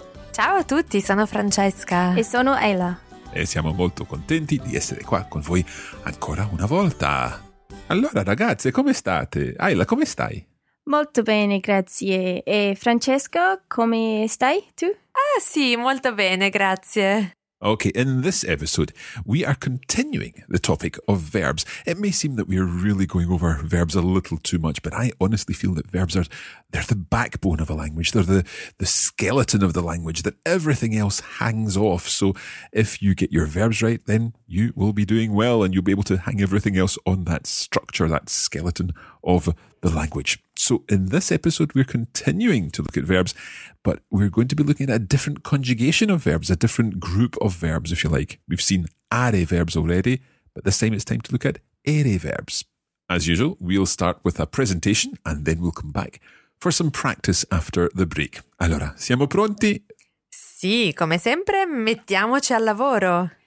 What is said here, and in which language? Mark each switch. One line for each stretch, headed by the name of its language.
Italian: Ciao a tutti, sono Francesca. E sono Ella. E siamo molto contenti di essere qua con voi ancora una volta. Allora ragazze, come state? Ella, come stai? Molto bene, grazie. E Francesco, come stai tu? Ah sì, molto bene, grazie.
English: Okay, in this episode, we are continuing the topic of verbs. It may seem that we're really going over verbs a little too much, but I honestly feel that verbs are, they're the backbone of a language. They're the skeleton of the language that everything else hangs off. So if you get your verbs right, then you will be doing well and you'll be able to hang everything else on that structure, that skeleton of the language. So in this episode, we're continuing to look at verbs, but we're going to be looking at a different conjugation of verbs, a different group of verbs, if you like. We've seen are verbs already, but this time it's time to look at ere verbs. As usual, we'll start with a presentation and then we'll come back for some practice after the break.
Italian: Allora, siamo pronti? Sì, come sempre, mettiamoci al lavoro.